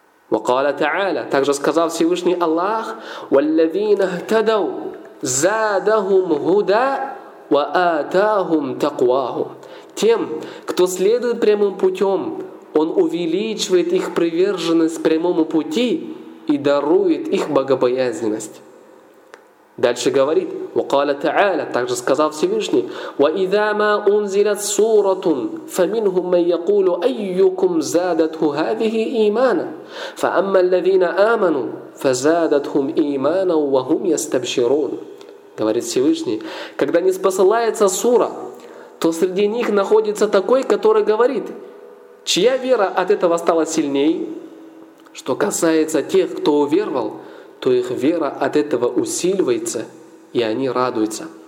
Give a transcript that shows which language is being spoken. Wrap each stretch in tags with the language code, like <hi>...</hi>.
<ar>وقال تعالى,</ar> <ru>также сказал Всевышний Аллах,</ru> <ar>وَالَّذِينَ اهْتَدَوْا زَادَهُمْ هُدَى وَآتَاهُمْ تَقْوَاهُمْ.</ar> <ru>Тем, кто следует прямым путем, Он увеличивает их приверженность прямому пути и дарует их богобоязненность. Дальше говорит,</ru> <ar>وَقَالَ تَعَالَى,</ar> <ru>также сказал Всевышний,</ru> <ar>وَإِذَا مَا أُنزِلَتْ سُورَةٌ فَمِنْهُمْ مَنْ يَقُولُ أَيُّكُمْ زَادَتْهُ هَذِهِ إِيمَانًا فَأَمَّا الَّذِينَ آمَنُوا فَزَادَتْهُمْ إِيمَانًا وَهُمْ يَسْتَبْشِرُونَ.</ar> <ru>Говорит Всевышний, когда не спосылается сура, то среди них находится такой, который говорит, чья вера от этого стала сильнее? Что касается тех, кто уверовал, то их вера от этого усиливается, и они радуются.</ru>